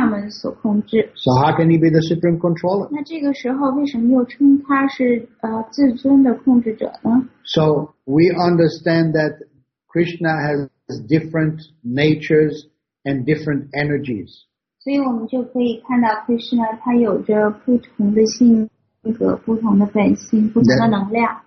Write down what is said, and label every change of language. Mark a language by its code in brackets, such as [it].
[en] So how can he be the supreme controller? [zh] 那这个时候为什么又称他是, [en] so we understand that Krishna has different natures and different energies. [zh] 所以我们就可以看到 Krishna 他有着不同的性格,不同的本性,不同的能量。